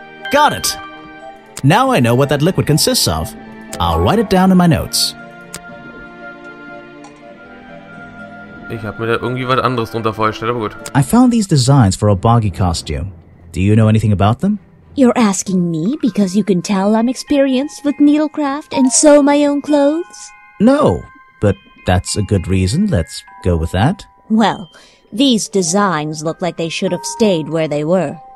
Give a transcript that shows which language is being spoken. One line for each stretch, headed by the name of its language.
English: Got it! Now I know what that liquid consists of. I'll write it down in my notes.
German: Ich hab mir da irgendwie was anderes drunter vorgestellt, aber gut.
English: I found these designs for a Boggy costume. Do you know anything about them? You're asking me because you can tell I'm experienced with needlecraft and sew my own clothes? No, but that's a good reason. Let's go with that. Well, these designs look like they should have stayed where they were.